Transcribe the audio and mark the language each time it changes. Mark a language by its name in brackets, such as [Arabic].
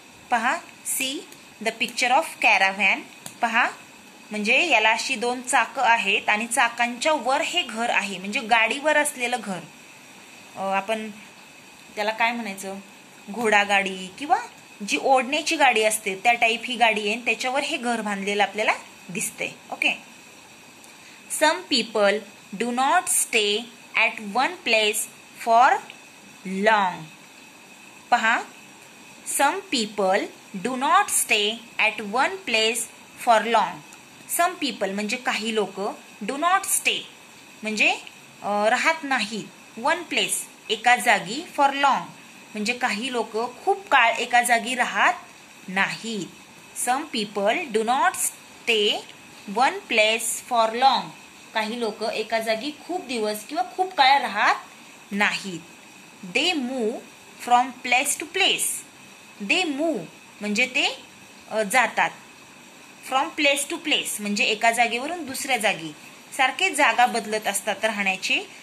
[Marathi] पहा, [English] See the picture of caravan. [Marathi] पहा, म्हणजे याला अशी दोन चाक आहेत आणि चाकांच्या वर हे घर आहे, म्हणजे गाडीवर असलेलं घर. आपण त्याला काय म्हणायचं, घोडा गाडी किंवा जी ओढण्याची गाडी असते त्या टाईप ही गाडी आहे, त्याच्यावर हे घर बांधलेलं आपल्याला दिसते. [English] Okay, some people do not stay at one place for long. पहा, some people do not stay at one place for long. Some people [Marathi] म्हणजे काही लोक, [English] do not stay [Marathi] म्हणजे राहत नाहीत, [English] one place [Marathi] एका जागी, [English] for long [Marathi] म्हणजे काही लोक खूप काळ एका जागी राहत नाहीत. [English] Some people do not stay one place for long. [Marathi] काही लोक एका जागी खूप दिवस किंवा खूप काळ राहत नाहीत. [English] They move from place to place. They move [Marathi] म्हणजे ते जातात, [English] from place to place [Marathi] म्हणजे एका जागेवरून दुसऱ्या जागी, सारखे जागा बदलत असतात राहण्याचे.